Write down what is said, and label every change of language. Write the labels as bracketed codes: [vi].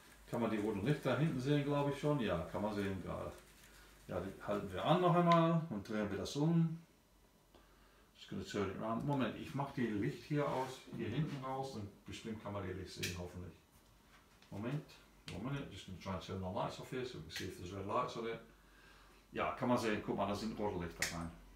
[de] Kann man die roten Lichter hinten sehen, glaube ich schon? Ja, kann man sehen gerade. Ja, die halten wir an noch einmal und drehen wir das um. Moment, ich mache die Licht hier aus, hier hinten raus und bestimmt kann man die Licht sehen, hoffentlich. [en] Moment, just gonna try and turn the lights off here so we can see if there's red lights on it. [de] Ja, kann man sehen, guck mal, da sind rote Lichter rein.